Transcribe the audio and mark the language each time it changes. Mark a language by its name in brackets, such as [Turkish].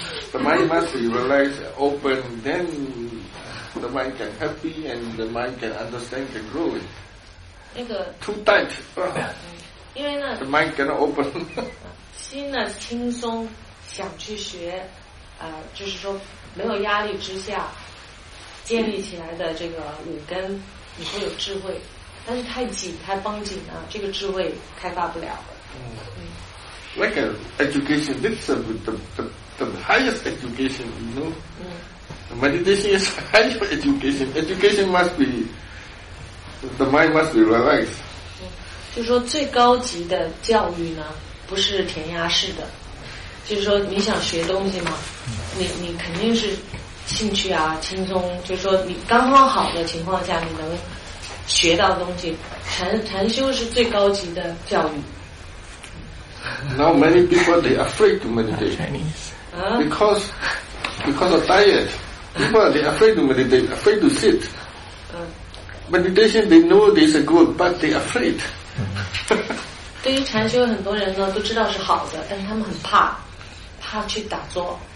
[English] The mind must be relaxed, open, then the mind can happy and the mind can understand, can grow it. Too tight. The mind cannot open. [Chinese] 心呢轻松，想去学，就是说没有压力之下，建立起来的这个五根，你会有智慧。但是太紧太绷紧呢，这个智慧开发不了。 [English] Like education, that's the highest education, you know. Meditation is higher education. Education must be. The mind must be relaxed. [Chinese] 就是说最高级的教育呢不是填鸭式的，就是说你想学东西嘛，你肯定是兴趣啊轻松，就是说你刚刚好的情况下你能学到东西，禅修是最高级的教育。 [English] Now many people they afraid to meditate because of diet. People they afraid to meditate, afraid to sit. Meditation, they know this is good, but they are afraid. [Chinese] 对于禅修，很多人呢都知道是好的，但他们很怕，怕去打坐。